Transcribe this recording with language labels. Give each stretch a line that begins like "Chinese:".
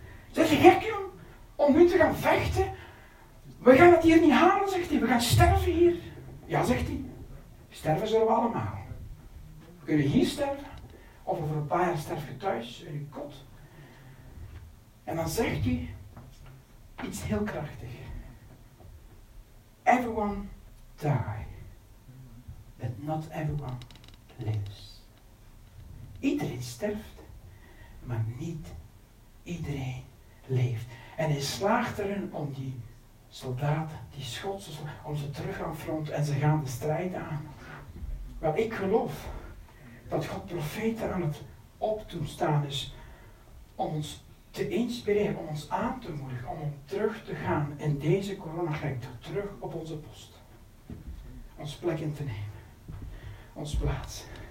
Dutch: Zeg je gek, jong, om nu te gaan vechten? We gaan het hier niet halen, zegt hij. We gaan sterven hier. Ja, zegt hij. Sterven zullen we allemaal. Kun je hier sterven, of over een paar jaar sterf je thuis, in je kot. En dan zegt hij iets heel krachtig.
English: Everyone die, but not everyone lives.
Dutch: Iedereen sterft, maar niet iedereen leeft. En hij slaagt erin om die soldaten, die Schotse soldaten, om ze terug aan front en ze gaan de strijd aan. Wel, ik geloof dat God profeten aan het opdoen staan is om ons te inspireren, om ons aan te moedigen, om terug te gaan in deze coronagekte, terug op onze post. Ons plek in te nemen. Ons plaats.